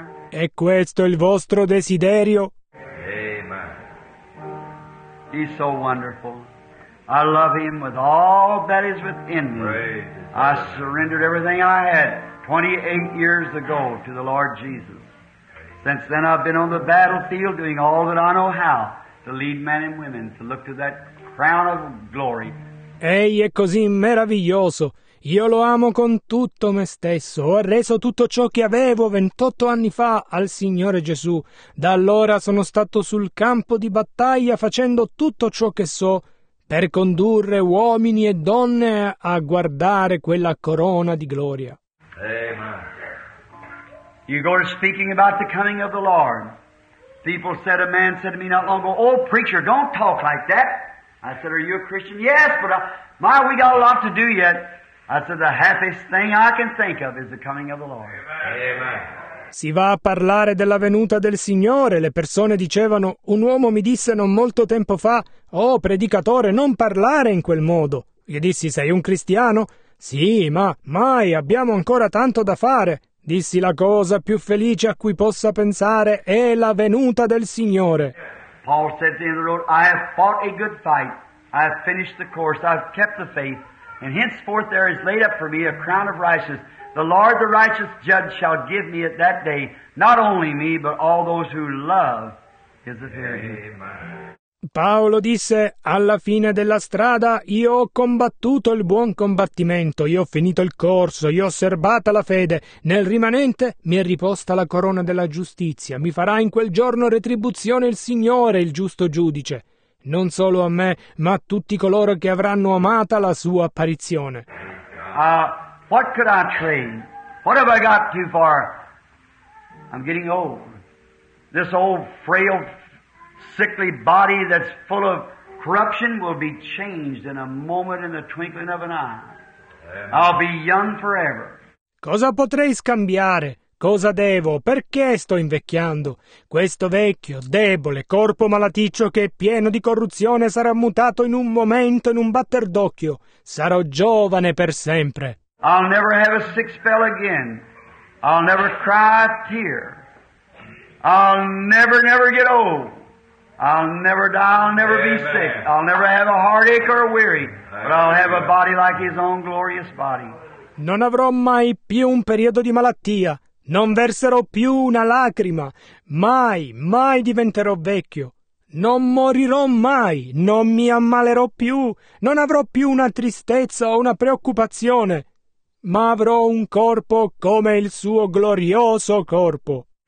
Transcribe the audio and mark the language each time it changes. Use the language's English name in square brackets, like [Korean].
[Italian] È questo il vostro desiderio? [English] Amen. He's so wonderful. I love Him with all that is within me. I surrendered everything I had 28 years ago to the Lord Jesus. Since then I've been on the battlefield doing all that I know how to lead men and women to look to that crown of glory. [Italian] Egli è così meraviglioso. Io lo amo con tutto me stesso. Ho reso tutto ciò che avevo 28 anni fa al Signore Gesù. Da allora sono stato sul campo di battaglia facendo tutto ciò che so per condurre uomini e donne a guardare quella corona di gloria. Amen. [English] You go to speaking about the coming of the Lord. People said, a man said to me not long ago, oh preacher, don't talk like that. I said, are you a Christian? Yes, but we got a lot to do yet. I said, the happiest thing I can think of is the coming of the Lord. Amen. Amen. [Italian] Si va a parlare della venuta del Signore, le persone dicevano, un uomo mi disse non molto tempo fa, oh predicatore, non parlare in quel modo. Gli dissi, sei un cristiano? Sì, ma mai, abbiamo ancora tanto da fare. Dissi, la cosa più felice a cui possa pensare è la venuta del Signore. [English] Paul said in the road, I have fought a good fight, I have finished the course, I have kept the faith, and henceforth there is laid up for me a crown of righteousness. The Lord, the righteous judge, shall give me at that day, not only me, but all those who love his appearing. [Italian] Paolo disse, alla fine della strada io ho combattuto il buon combattimento, io ho finito il corso, io ho osservata la fede, nel rimanente mi è riposta la corona della giustizia, mi farà in quel giorno retribuzione il Signore, il giusto giudice, non solo a me, ma a tutti coloro che avranno amata la sua apparizione. [English] What could I train? What have I got too far? I'm getting old. This old frail sickly body that's full of corruption will be changed in a moment in the twinkling of an eye. I'll be young forever. [Italian] Cosa potrei scambiare? Cosa devo? Perché sto invecchiando? Questo vecchio, debole, corpo malaticcio che è pieno di corruzione sarà mutato in un momento, in un batter d'occhio. Sarò giovane per sempre. [English] I'll never have a sick spell again. I'll never cry a tear. I'll never, never get old. I'll never die, I'll never be sick. I'll never have a heartache or a weary, but I'll have a body like his own glorious body. [Italian] Non avrò mai più un periodo di malattia, non verserò più una lacrima, mai, mai diventerò vecchio. Non morirò mai, non mi ammalerò più, non avrò più una tristezza o una preoccupazione, ma avrò un corpo come il suo glorioso corpo.